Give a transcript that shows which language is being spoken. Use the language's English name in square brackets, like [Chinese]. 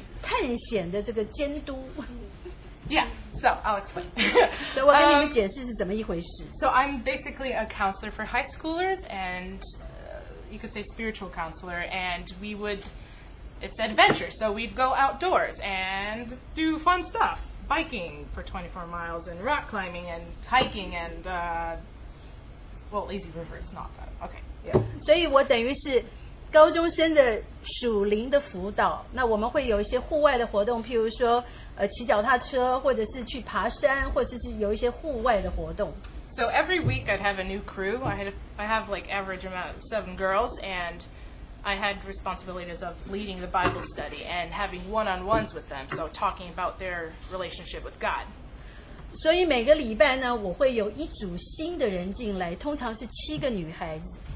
[Chinese] 那所以呢，我是高中生的探险的这个监督。Yeah, [English] so I'll explain. [Chinese] 所以我跟你们解释是怎么一回事。 [English] So I'm basically a counselor for high schoolers, and you could say spiritual counselor. And we would, it's adventure, so we'd go outdoors and do fun stuff, biking for 24 miles, and rock climbing, and hiking, and well, Lazy River is not that. Okay. Yeah. [Chinese] 所以我等于是高中生的属灵的辅导。那我们会有一些户外的活动，譬如说骑脚踏车，或者是去爬山，或者是有一些户外的活动。So [English] every week I'd have a new crew. I have like average amount of 7 girls, and I had responsibilities of leading the Bible study and having one-on-ones with them, so talking about their relationship with God. [Chinese] 所以每个礼拜呢，我会有一组新的人进来，通常是7个女孩子。